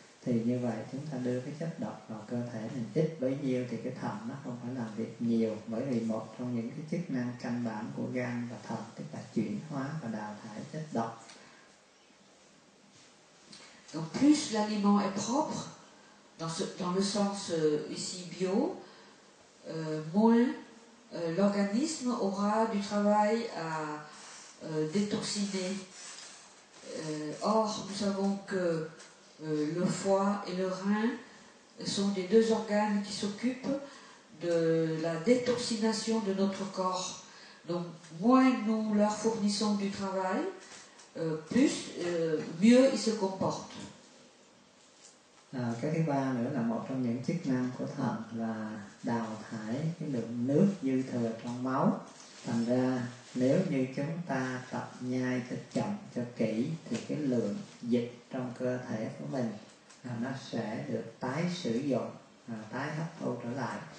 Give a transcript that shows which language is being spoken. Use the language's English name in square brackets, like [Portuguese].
[Vietnamese] Thì như vậy chúng ta đưa cái chất độc vào cơ thể mình ít bấy nhiêu thì cái thận nó không phải làm việc nhiều, bởi vì một trong những cái chức năng căn bản của gan và thận tức là chuyển hóa và đào thải chất độc. [French] Donc plus l'aliment est propre dans, ce, dans le sens ici bio, moins l'organisme aura du travail à détoxiner. Or, nous savons que le foie et le rein sont les deux organes qui s'occupent de la détoxination de notre corps. Donc, moins nous leur fournissons du travail, plus, mieux ils se comportent. [Vietnamese] Cái thứ ba nữa là một trong những chức năng của thận là đào thải cái lượng nước dư thừa trong máu. Thành ra nếu như chúng ta tập nhai cho chậm, cho kỹ thì cái lượng dịch trong cơ thể của mình nó sẽ được tái sử dụng, tái hấp thu trở lại.